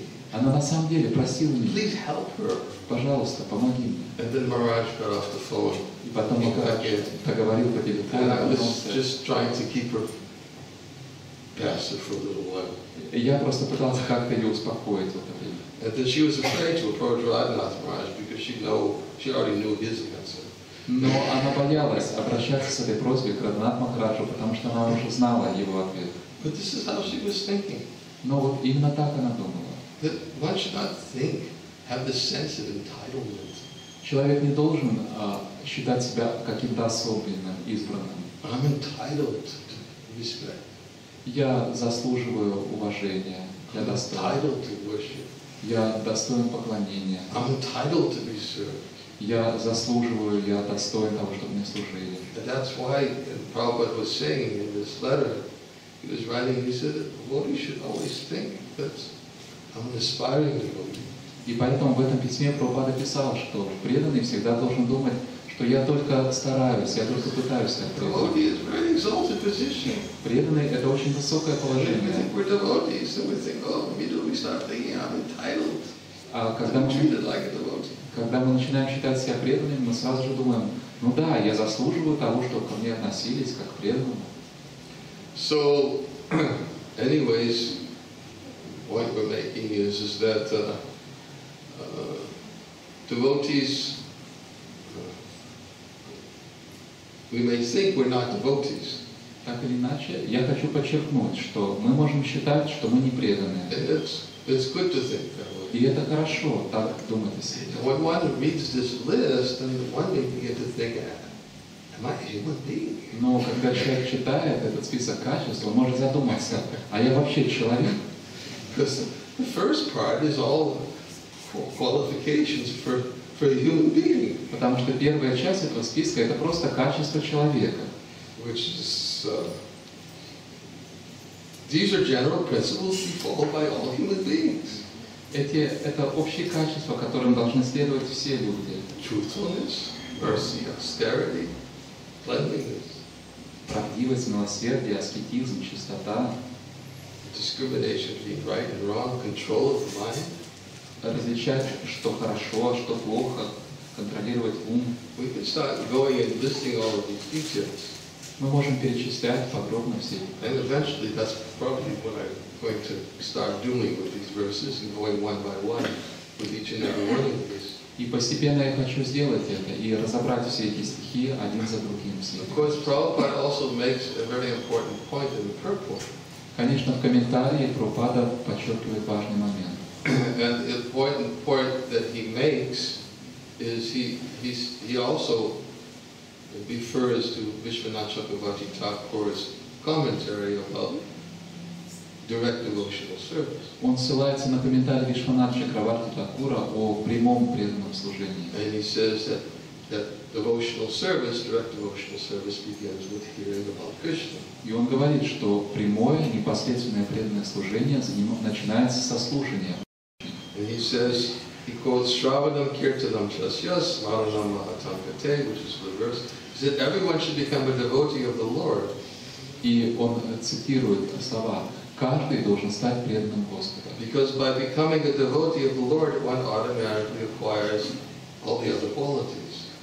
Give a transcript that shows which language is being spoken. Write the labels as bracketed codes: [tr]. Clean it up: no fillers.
[ru] Она на самом деле просила меня. Пожалуйста, помоги мне. И потом Махарадж договорил по телефону. Я просто пытался как-то ее успокоить. Вот это. [en] And then she was afraid to approach Radhanath Maharaj because she already knew his answer. [ru] Но она боялась обращаться с этой просьбой к Радханату Махараджу, потому что она уже знала его ответ. [en] But this is how she was thinking. [ru] Но вот именно так она думала. [en] That one should not think, have the sense of entitlement. [ru] Человек не должен считать себя каким-то особенным, избранным. [en] I'm entitled to respect. [ru] Я заслуживаю уважения. Я [en] entitled to worship. [ru] Я достоин поклонения. [en] I'm entitled to be served. [ru] Я заслуживаю, я достоин того, чтобы мне служили. [en] And that's why Prabhupada was saying in this letter, he was writing, he said, devotee should always think that I'm an aspiring devotee. [ru] И поэтому в этом письме Прабхупада писал, что преданный всегда должен думать, что я только стараюсь, я только пытаюсь стать преданным. [en] Devotee is a very exalted position. [ru] Преданный — это очень высокое положение. [en] We think we're devotees, and we think, oh, immediately start thinking I'm entitled. [ru] А когда мы [en] treated like a devotee. [ru] Когда мы начинаем считать себя преданными, мы сразу же думаем, ну да, я заслуживаю того, чтобы ко мне относились как к преданному. [en] So, anyways, point we're making is that devotees, we may think we're not devotees. [ru] Так или иначе, я хочу подчеркнуть, что мы можем считать, что мы не преданные. [en] It's good to think that way. [ru] И это хорошо, так думать о себе. [en] When one reads this list, and one may begin to think, am I a human being? [ru] Но когда человек читает этот список качеств, он может задуматься, а я вообще человек? [en] Because the first part is all qualifications for a human being. [ru] Потому что первая часть этого списка — это просто качество человека. [en] Which is, these are general principles followed by all human beings. [ru] Это общие качества, которым должны следовать все люди. [en] Truthfulness, mercy, austerity, cleanliness. [ru] Правдивость, милосердие, аскетизм, чистота. [en] Discrimination between right and wrong, control of the mind. [ru] Различать, что хорошо, что плохо, контролировать ум. [en] We can start going and listing all of these details. [ru] Мы можем перечислять подробно все. [en] And eventually, that's probably what I'm going to start doing with these verses and going one by one with each and every one of these. [ru] И постепенно я хочу сделать это и разобрать все эти стихи один за другим. [en] Of course, Prabhupada also makes a very important point in the purport. [ru] Конечно, в комментарии Прабхупада подчеркивает важный момент. [en] And the important point that he makes is he also refers to Vishwanath Chakravarti Thakur's commentary about direct devotional service. [ru] Он ссылается на комментарий Вишванатха Чакраварти Такура о прямом преданном служении. [en] And he says that devotional service, direct devotional service, begins with hearing about Krishna. [ru] И он говорит, что прямое, непосредственное преданное служение начинается со слушания. [en] And he says, he quotes [sa] Shravanam Kirtanam Chasya Smaranam Mahatankate, [en] which is the verse. He said, everyone should become a devotee of the Lord. [ru] И он цитирует слова. Каждый должен стать преданным Господа. [en] Because by becoming a devotee of the Lord, one automatically acquires all the other qualities.